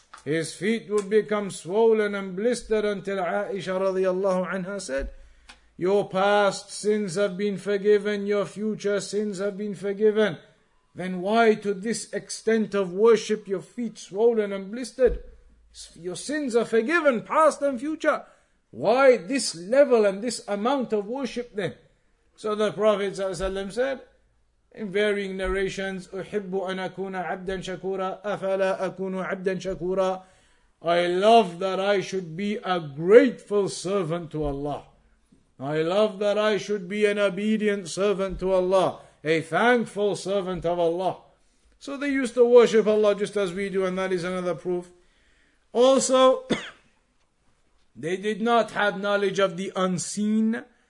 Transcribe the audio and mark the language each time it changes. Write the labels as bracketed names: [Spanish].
[English] His feet would become swollen and blistered until Aisha radiallahu anha said, "Your past sins have been forgiven, your future sins have been forgiven. Then why to this extent of worship your feet swollen and blistered? Your sins are forgiven, past and future. Why this level and this amount of worship then?" So the Prophet ﷺ said, in varying narrations, [Arabic] أحب أن أكون عبدا شكورا أفلا أكون عبدا شكورا. [English] I love that I should be a grateful servant to Allah. I love that I should be an obedient servant to Allah, a thankful servant of Allah. So they used to worship Allah just as we do, and that is another proof. Also, they did not have knowledge of the unseen.